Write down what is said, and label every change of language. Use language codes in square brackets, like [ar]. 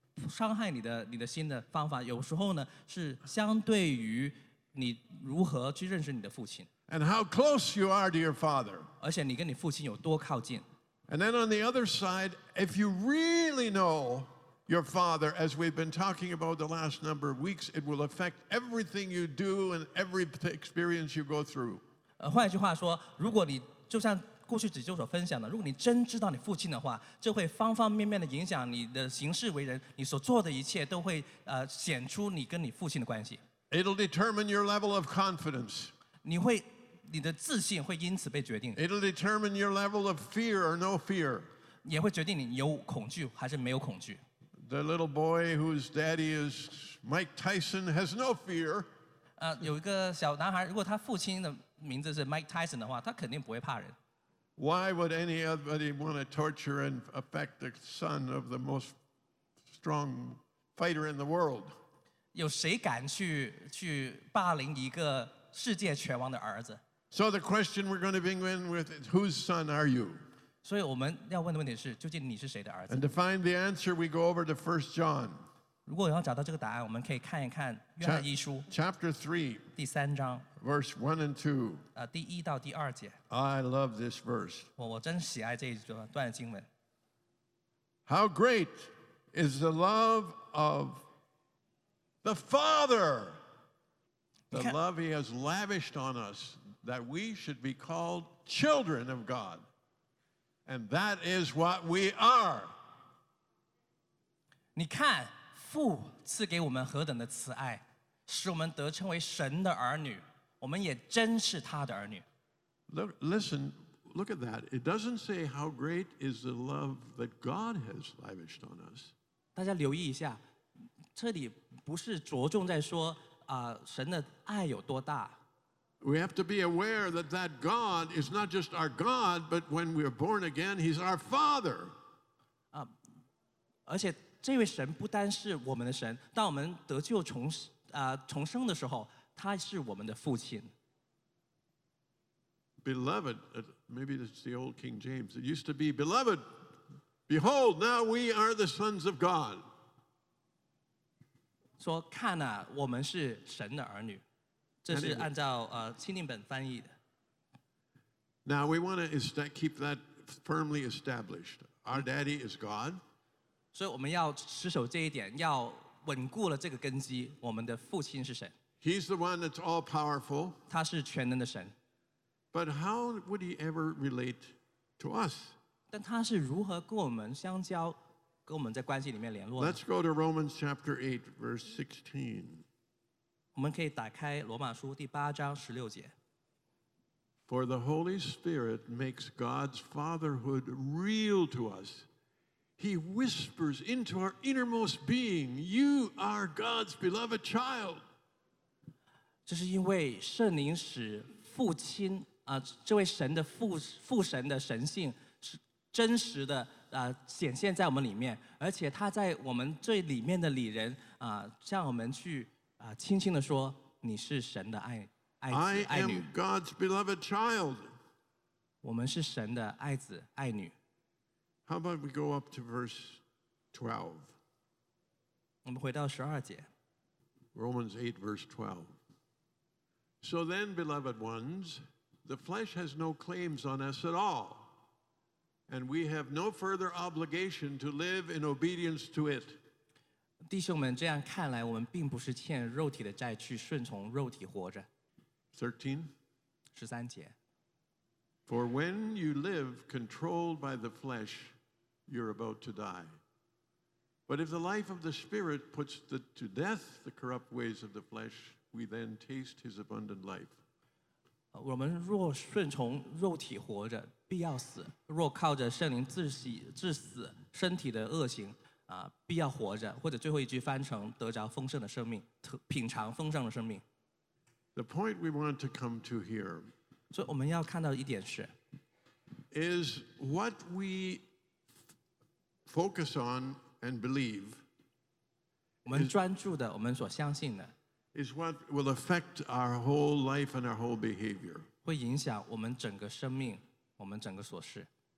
[zh] 伤害你的心的方法，有时候呢是相对于你如何去认识你的父亲。 [en] And how close you are to your father. [zh] 而且你跟你父亲有多靠近。 [en] And then on the other side, if you really know your father, as we've been talking about the last number of weeks, it will affect everything you do and every experience you go through. [zh] 换句话说，如果你就像过去只就所分享的，如果你真知道你父亲的话，这会方方面面的影响你的行事为人，你所做的一切都会显出你跟你父亲的关系。 [en] It'll determine your level of confidence. [zh] 你的自信会因此被决定。 [en] It'll determine your level of fear or no fear. [zh] 也会决定你有恐惧还是没有恐惧。 [en] The little boy whose daddy is Mike Tyson has no fear. [zh] 有一个小男孩，如果他父亲的名字是 Mike Tyson 的话，他肯定不会怕人。 [en] Why would anybody want to torture and affect the son of the most strong fighter in the world? [zh] 有谁敢去霸凌一个世界拳王的儿子？ [en] So the question we're going to begin with is, whose son are you? [zh] 所以我们要问的问题是，究竟你是谁的儿子？ [en] And to find the answer, we go over to 1 John. [zh] 如果要找到这个答案，我们可以看一看约翰一书。 [en] Chapter 3. [zh] 第三章。 [en] Verse 1 and 2. [zh] 第一到第二节。 [en] I love this verse. [zh] 我真喜爱这一段经文。 [en] How great is the love of the Father, the love he has lavished on us, that we should be called children of God. And that is what we are. [zh] 你看父赐给我们何等的慈爱，使我们得称为神的儿女。我们也真是他的儿女。 [en] Listen, look at that. It doesn't say how great is the love that God has lavished on us. [zh] 大家留意一下，这里不是着重在说神的爱有多大。 [en] We have to be aware that God is not just our God, but when we are born again, He's our Father. [zh] 而且这位神不单是我们的神，当我们得救 重生的时候，他是我们的父亲。 [en] Beloved, maybe this is the old King James. It used to be, Beloved, behold, now we are the sons of God. [zh] 说看啊，我们是神的儿女。这是按照钦定本翻译的。 [en] Now we want to keep that firmly established. Our daddy is God. [zh] 所以我们要持守这一点，要稳固了这个根基，我们的父亲是神。 [en] He's the one that's all powerful. [zh] 他是全能的神。 [en] But how would he ever relate to us? [zh] 但他是如何跟我们相交，跟我们在关系里面联络呢？ [en] Let's go to Romans chapter 8, verse 16. [zh] 我们可以打开罗马书第八章十六节。 [en] For the Holy Spirit makes God's fatherhood real to us. He whispers into our innermost being, You are God's beloved child. [zh] 这是因为圣灵使父亲这位神的 父神的神性是真实的显现在我们里面，而且他在我们最里面的里人向我们去轻轻地说，你是神的爱爱子爱女。 [en] I am God's beloved child. [zh] 我们是神的爱子爱女。 [en] How about we go up to verse 12? [zh] 我们回到十二节。 [en] Romans 8, verse 12. So then, beloved ones,The flesh has no claims on us at all, and we have no further obligation to live in obedience to it. [zh] 弟兄们，这样看来，我们并不是欠肉体的债，去顺从肉体活着。 [en] 13. [zh] 十三节。 [en] For when you live controlled by the flesh, you're about to die. But if the life of the Spirit puts to death the corrupt ways of the flesh, we then taste his abundant life. [zh] 我们若顺从肉体活着，必要死；若靠着圣灵致死身体的恶行，必要活着。或者最后一句翻成得着丰盛的生命，品尝丰盛的生命。 [en] The point we want to come to here， [zh] 所以我们要看到一点是 [en] ，is what we focus on and believe， [zh] 我们专注的，我们所相信的。 [en] Is what will affect our whole life and our whole behavior. [zh] 会影响我们整个生命，我们整个所事。